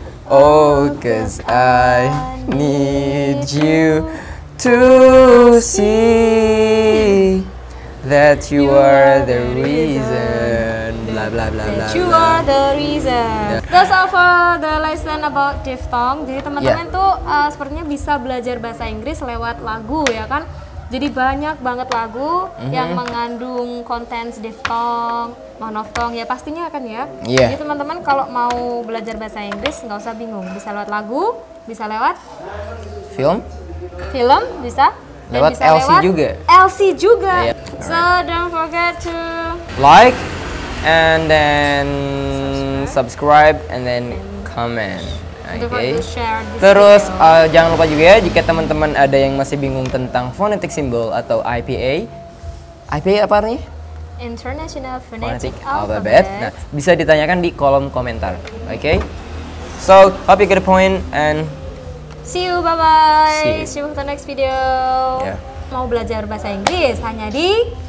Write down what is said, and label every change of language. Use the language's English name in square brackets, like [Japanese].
[English] Oh, 'cause I need you to see that you are the reason. Blah blah blah blah. That you are the reason. That's all for the lesson about diphthong. [Indonesian] Jadi teman-teman tuh sepertinya bisa belajar bahasa Inggris lewat lagu ya kan. Jadi banyak banget lagu yang mengandung konten diphthong, monophthong ya pastinya kan ya. [English] Yeah. [Indonesian] Jadi teman-teman kalau mau belajar bahasa Inggris nggak usah bingung, bisa lewat lagu, bisa lewat film. Film bisa. Lewat bisa LC, lewat juga. LC juga. [English] Yeah. Right. So don't forget to like and then subscribe and then comment. [Indonesian] Okay. Terus jangan lupa juga ya, jika teman-teman ada yang masih bingung tentang phonetic symbol atau IPA. IPA apa artinya? [English] International Phonetic Alphabet. [Indonesian] Nah, bisa ditanyakan di kolom komentar. Okay. [English] So, hope you get a point and see you, bye-bye. See you in the next video. Yeah. [Indonesian] Mau belajar bahasa Inggris hanya di